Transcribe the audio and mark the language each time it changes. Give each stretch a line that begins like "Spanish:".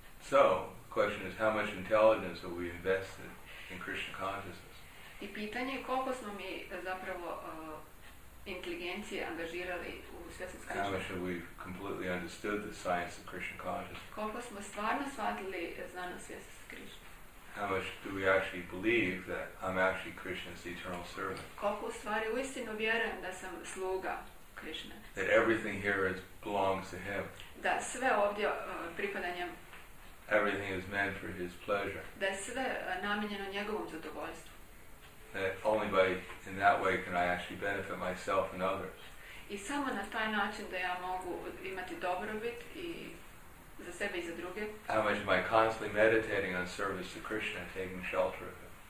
English: So, the question is, how much intelligence have we invested in Krishna consciousness?
Croatian: I pitanje je koliko smo mi zapravo inteligencije angažirali u svjesnost Krishna.
English: How much have we completely understood the science of Krishna consciousness?
Croatian: Koliko smo stvarno shvatili znanost svjesnost Krishna.
English: How much do we actually believe that I'm actually Krishna's eternal servant?
Croatian: Koliko u stvari uistinu vjerujem da sam sluga Krishna.
English: That everything here belongs to him.
Croatian: Da sve ovdje pripada njemu.
English: Everything is meant for his pleasure.
Croatian: Da je sve namijenjeno njegovom zadovoljstvu.
English: That only by in that way can I actually benefit myself and others.
Croatian: I samo na taj način da ja mogu imati dobrobit i za sebe i za druge.
English: How much am I constantly meditating on service to Krishna and taking shelter of him?